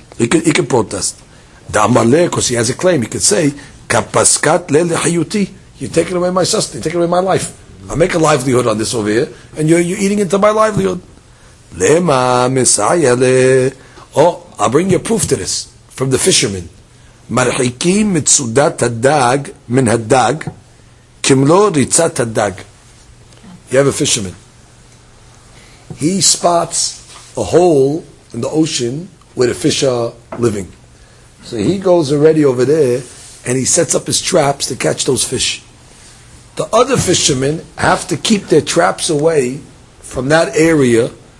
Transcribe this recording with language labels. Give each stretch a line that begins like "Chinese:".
English: He can protest. Damaleh, because he has a claim. He could say,
Hebrew: Kapaskat Lele Hayuti.
English: You're taking away my sustenance. You're taking away my life. I make a livelihood on this over here, and you're eating into my livelihood. Lema Messiah. Oh, I'll bring you proof to this from the fishermen.
Hebrew: מרחיקים מצודת הדג מן הדג כמלוא ריצת הדג.
English: You have a fisherman. He spots a hole in the ocean where the fish are living. So he goes already over there and he sets up his traps to catch those fish. The other fishermen have to keep their traps away from that area.